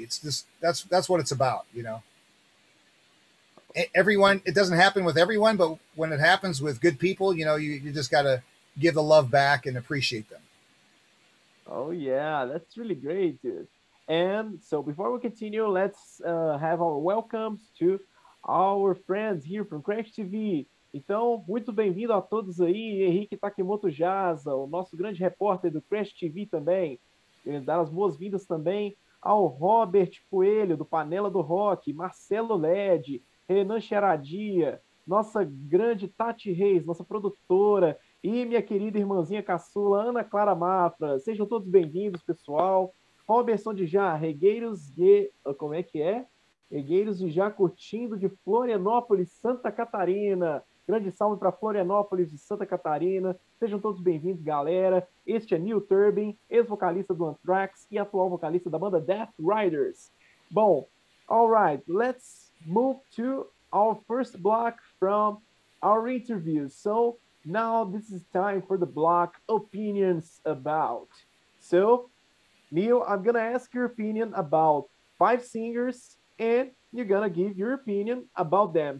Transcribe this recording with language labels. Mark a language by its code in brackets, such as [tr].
[en] It's just, that's what it's about, you know. Everyone, it doesn't happen with everyone, but when it happens with good people, you know, you just got to give the love back and appreciate them. Oh, yeah, that's really great, dude. And so before we continue, let's have our welcomes to our friends here from Crash TV. [pt] Então, muito bem-vindo a todos aí, Henrique Takemoto Jaza, o nosso grande repórter do Crash TV também. Dar as boas-vindas também ao Robert Coelho, do Panela do Rock, Marcelo Led, Renan Xeradia, nossa grande Tati Reis, nossa produtora, e minha querida irmãzinha caçula, Ana Clara Mafra. Sejam todos bem-vindos, pessoal. Robertson de Já, Regueiros de... Como é que é? Regueiros de Já curtindo de Florianópolis, Santa Catarina. Grande salve para Florianópolis de Santa Catarina. Sejam todos bem-vindos, galera. Este é Neil Turbin, ex-vocalista do Anthrax e atual vocalista da banda Death Riders. [en] Bom, all right, let's move to our first block from our interview. So, now this is time for the block Opinions About. So, Neil, I'm going to ask your opinion about five singers and you're going to give your opinion about them.